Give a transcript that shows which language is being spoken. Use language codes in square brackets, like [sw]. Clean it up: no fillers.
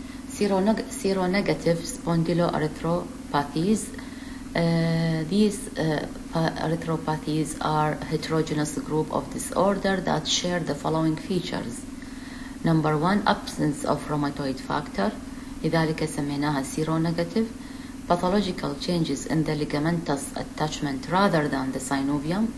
[en] Seronegative spondyloarthropathies. These arthropathies are a heterogeneous group of disorder that share the following features. Number one, absence of rheumatoid factor. [ar] لذلك سميناها seronegative. [en] Pathological changes in the ligamentous attachment rather than the synovium.